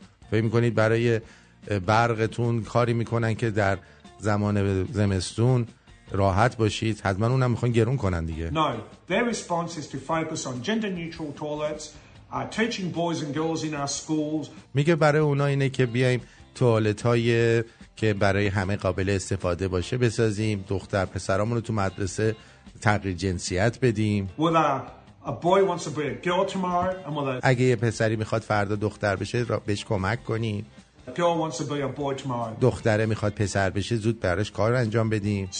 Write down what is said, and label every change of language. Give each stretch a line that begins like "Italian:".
Persian: فهم کنید برای برقتون کاری میکنن که در زمان زمستون راحت باشید، حتما اونم میخوان گرون کنن دیگه.
English: No, their response is to focus on gender neutral toilets, teaching boys and girls in our schools.
Persian: میگه برای اونا اینه که بیایم توالت های که برای همه قابل استفاده باشه بسازیم، دختر پسرامونو تو مدرسه تغییر جنسیت بدیم.
English: A boy wants to be a girl tomorrow and mother.
Persian: اگه یه پسری میخواد فردا دختر بشه بهش کمک کنیم.
English: Girl wants to be a boy tomorrow.
Persian: دختره میخواد پسر بشه زود براش کار انجام بدیم.